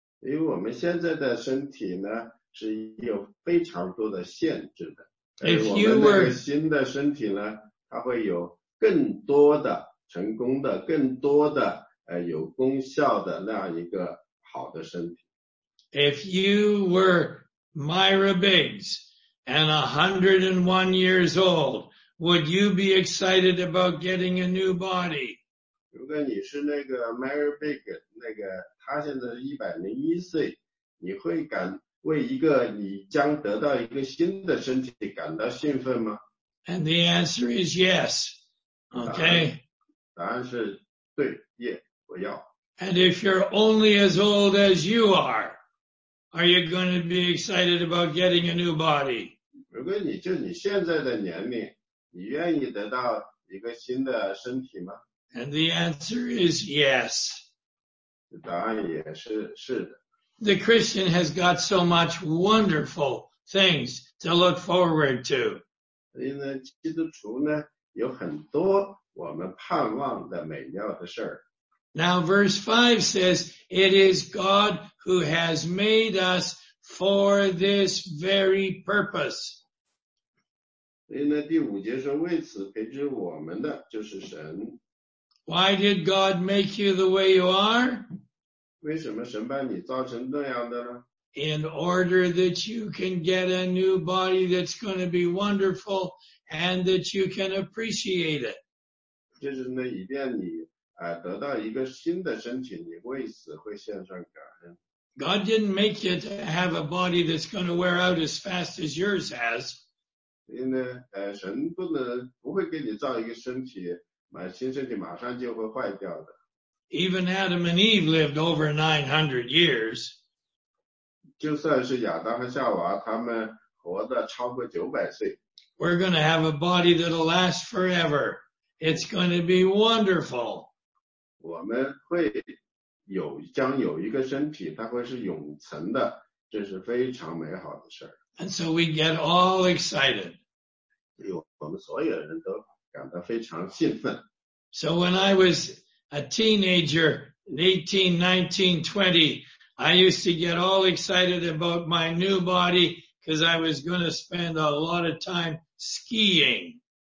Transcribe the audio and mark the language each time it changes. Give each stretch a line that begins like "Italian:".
Chinese: 因为我们现在的身体呢是有非常多的限制的，
English: If you were,
Chinese: 新的身体呢，它会有更多的成功的，更多的有功效的那样一个好的身体。
English: If you were Myra Biggs and 101 years old, would you be excited about getting a new body?
Chinese: 如果你是那个 Myra Biggs, 那个他现在是101岁，你会感为一个你将得到一个新的身体感到兴奋吗？
English: And the answer is yes. Okay.
Chinese: 答案是对，我要。
English: And if you're only as old as you are you going to be excited about getting a new body?
Chinese: 如果你就你现在的年龄，你愿意得到一个新的身体吗？
English: And the answer is yes.
Chinese: 答案也是是的。
English: The Christian has got so much wonderful things to look forward to.
Chinese: 因为基督徒呢，有很多我们盼望的美妙的事。
English: Now verse 5 says, it is God who has made us for this very purpose.
Chinese: 因为第五节说，为此培植我们的就是神。
English: Why did God make you the way you are?
Chinese: 为什么神把你造成那样的呢？
English: In order that you can get a new body that's going to be wonderful and that you can appreciate it.
Chinese: 就是呢，以便你得到一个新的身体，你为此会献上感恩。
English: God didn't make you to have a body that's going to wear out as fast as yours has.
Chinese: 因为神不会给你造一个身体，新身体马上就会坏掉的。
English: Even Adam and Eve lived over 900 years.
Chinese: 就算是亚当和夏娃，他们活得超过900岁。
English: We're going to have a body that'll last forever. It's going to be wonderful.
Chinese: 我们会有将有一个身体，它会是永存的，这是非常美好的事儿。
English: And so we get all excited.
Chinese: 我们所有人都感到非常兴奋。
English: So when I was a teenager, 18, 19, 20, I used to get all excited about my new body because I was going to spend a lot of time skiing.